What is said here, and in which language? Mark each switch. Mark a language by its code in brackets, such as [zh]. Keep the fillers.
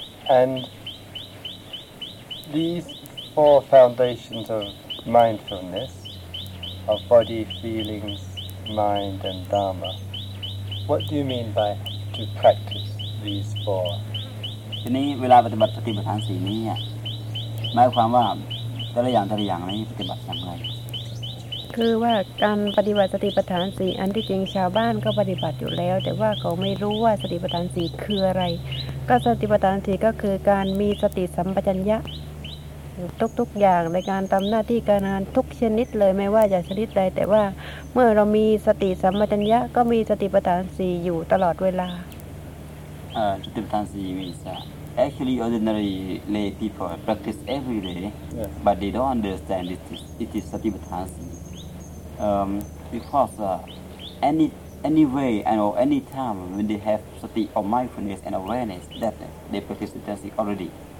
[en] And these four foundations of mindfulness of body, feelings, mind and dharma. What do you mean by to practice these four? [th] ทีนี้เวลาปฏิบัติสติปัฏฐานสี่นี้อะหมายความว่าแต่ละอย่างแต่ละอย่างนี้ปฏิบัติอย่างไร คือว่าการปฏิบัติสติปัฏฐานสี่อันที่จริงชาวบ้านก็ปฏิบัติอยู่แล้ว แต่ว่าเขาไม่รู้ว่าสติปัฏฐานสี่คืออะไร ก็สติปัฏฐานสี่ก็คือการมีสติสัมปชัญญะอยู่ทุกๆอย่างในการทำหน้าที่การงานทุกชนิดเลยไม่ว่าจะชนิดใดแต่ว่าเมื่อเรามีสติสัมปชัญญะก็มีสติปัฏฐานสี่อยู่ตลอดเวลา [en] uh, to tip means uh, actually ordinary lay people practice every day, Yeah. but they don't understand it is, it is Satipatthanasi. Um, because uh, any any way and or any time when they have sati or mindfulness and awareness that they practice Satipatthanasi already.